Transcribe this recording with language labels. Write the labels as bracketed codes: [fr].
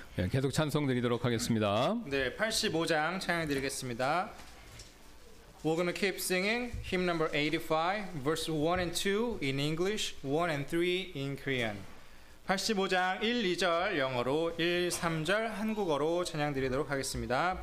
[ko] 네, 계속 찬송 드리도록 하겠습니다. 네, 85장 찬양 드리겠습니다. [en] We're going to keep singing hymn number 85, verse 1 and 2 in English, 1 and 3 in Korean. [ko] 85장 1, 2절 영어로, 1, 3절 한국어로 찬양 드리도록 하겠습니다.